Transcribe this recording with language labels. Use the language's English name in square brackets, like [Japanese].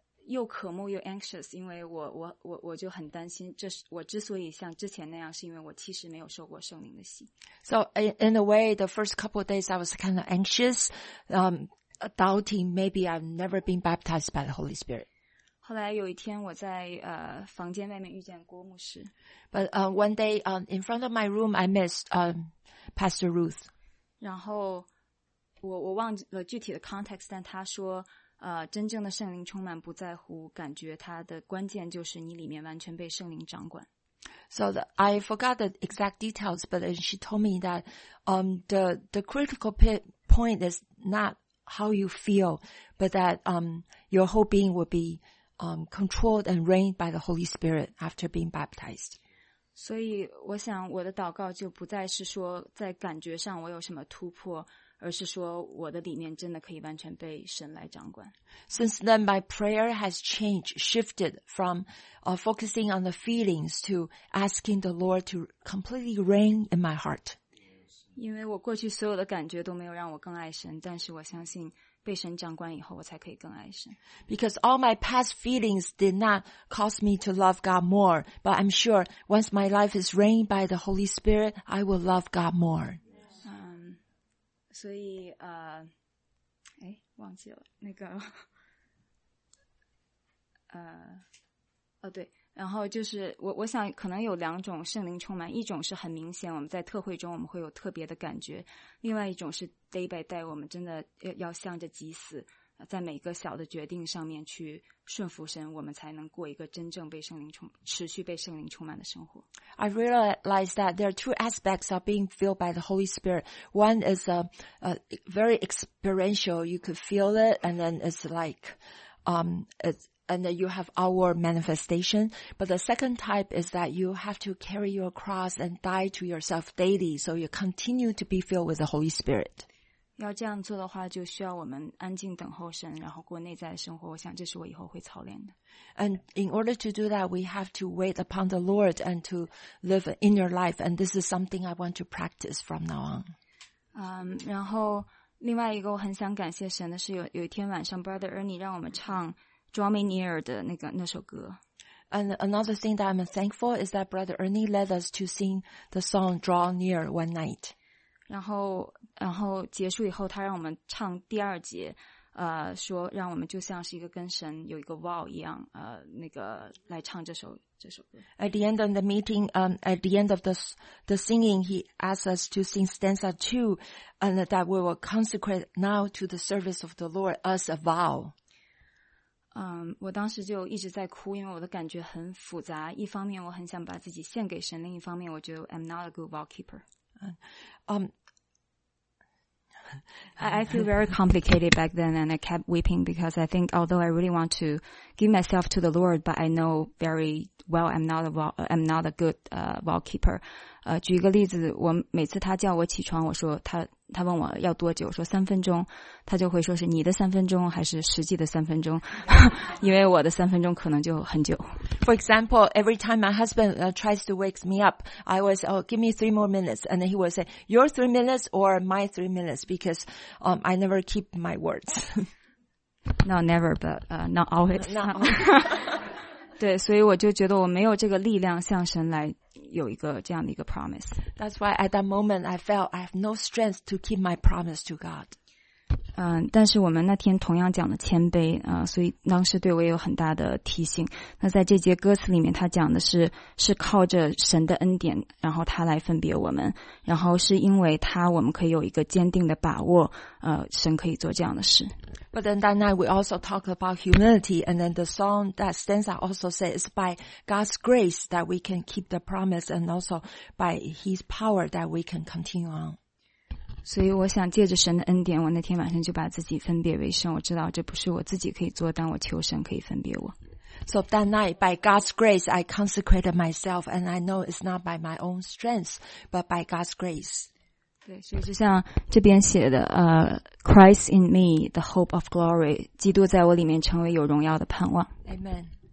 [Chinese] 又渴慕又 anxious， 因为我就很担心，这是我之所以像之前那样，是因为我其实没有受过圣灵的洗。 [English] So in a way, the first couple of days I was kind of anxious, doubting maybe I've never been baptized by the Holy Spirit. [Chinese] 后来有一天我在房间外面遇见郭牧师。 [English] But one day in front of my room, I met Pastor Ruth. [Chinese] 然后我忘了具体的 context， 但他说。真正的圣灵充满不在乎感觉，它的关键就是你里面完全被圣灵掌管。 [English] So I forgot the exact details, but she told me that the critical point is not how you feel, but that your whole being will be controlled and reigned by the Holy Spirit after being baptized. [Chinese] 所以我想我的祷告就不再是说在感觉上我有什么突破。而是说我的里面真的可以完全被神来掌管。 [English] Since then, my prayer has changed, shifted from focusing on the feelings to asking the Lord to completely reign in my heart. [Chinese] 因为我过去所有的感觉都没有让我更爱神，但是我相信被神掌管以后，我才可以更爱神。 [English] Because all my past feelings did not cause me to love God more, but I'm sure once my life is reigned by the Holy Spirit, I will love God more. [Chinese] 所以忘记了那个对，然后就是我想可能有两种圣灵充满，一种是很明显我们在特会中我们会有特别的感觉，另外一种是 [English] day by day [Chinese] 我们真的要向着祭司在每个小的决定上面去顺服神，我们才能过一个真正被圣灵充持续被圣灵充满的生活。 [English] I realize that there are two aspects of being filled by the Holy Spirit. One is a very experiential, you could feel it, and then it's like, and you have outward manifestation. But the second type is that you have to carry your cross and die to yourself daily, so you continue to be filled with the Holy Spirit. [Chinese] 要这样做的话，就需要我们安静等候神，然后过内在的生活。我想这是我以后会操练的。 [English] And in order to do that, we have to wait upon the Lord and to live an inner life. And this is something I want to practice from now on. [Chinese] 然后另外一个我很想感谢神的是有一天晚上 ，Brother Ernie 让我们唱 Draw Me Near 的那首歌。 [English] And another thing that I'm thankful is that Brother Ernie led us to sing the song Draw Near one night. [Chinese] 然后结束以后他让我们唱第二节说让我们就像是一个跟神有一个 wow 一样那个来唱这首歌。 [English] At the end of the meeting, at the end of the singing, he asked us to sing stanza two, and that we will consecrate now to the service of the Lord as a vow. [Chinese] 我当时就一直在哭，因为我的感觉很复杂，一方面我很想把自己献给神，另一方面我觉得 [English] I'm not a good vow keeper. I feel very complicated back then, and I kept weeping because I think although I really want to give myself to the Lord, but I know very well I'm not a good vow keeper. [Chinese] 举一个例子，我每次他叫我起床，我说他问我要多久，我说三分钟，他就会说是你的三分钟还是实际的三分钟，因为我的三分钟可能就很久。 [English] For example, every time my husband tries to wake me up, I was, oh, give me 3 more minutes. And then he would say, your 3 minutes or my 3 minutes, because I never keep my words. No, never, but not always. No. [Chinese] 对，所以我就觉得我没有这个力量向神来有一个这样的一个 promise. [English] That's why at that moment I felt I have no strength to keep my promise to God. [Chinese] 但是我们那天同样讲了谦卑所以当时对我也有很大的提醒。那在这节歌词里面他讲的是靠着神的恩典然后他来分别我们，然后是因为他我们可以有一个坚定的把握神可以做这样的事。 [English] But then that night we also talk about humility, and then the song that stanza also says it's by God's grace that we can keep the promise, and also by His power that we can continue on. [Chinese] 所以我想借着神的恩典，我那天晚上就把自己分别为圣。我知道这不是我自己可以做，但我求神可以分别我。 [English] So that night, by God's grace, I consecrated myself, and I know it's not by my own strength, but by God's grace. [Chinese] 对，所以就像这边写的 [English] Christ in me, the hope of glory, [Chinese] 基督在我里面成为有荣耀的盼望。 [English] Amen.